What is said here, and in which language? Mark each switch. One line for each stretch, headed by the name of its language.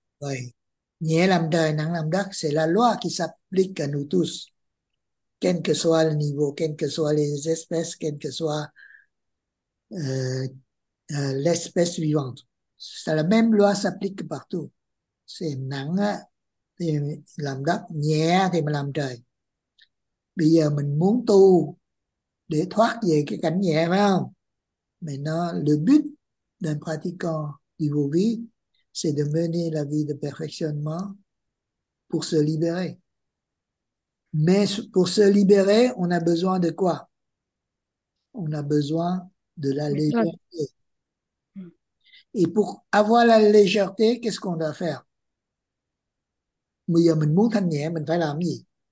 Vietnamese: Vậy nhẹ làm trời, nắng làm đất sẽ là
French: loi qui s'applique à nous tous, quel que soit le niveau, quel que soit les espèces, quel que soit l'espèce vivante. C'est la même loi s'applique partout.
Vietnamese: C'est nắng thì làm đất, nhẹ thì mà làm trời. Bây giờ mình muốn tu để thoát về cái cảnh nhẹ, phải không?
French: Mais non, le but d'un pratiquant du Vovi, c'est de mener la vie de perfectionnement pour se libérer. Mais pour se libérer, on a besoin de quoi? On a besoin de la légèreté. Et pour avoir la légèreté, qu'est-ce qu'on doit faire?
Vietnamese: Bây giờ mình muốn thanh nhẹ, mình phải làm gì?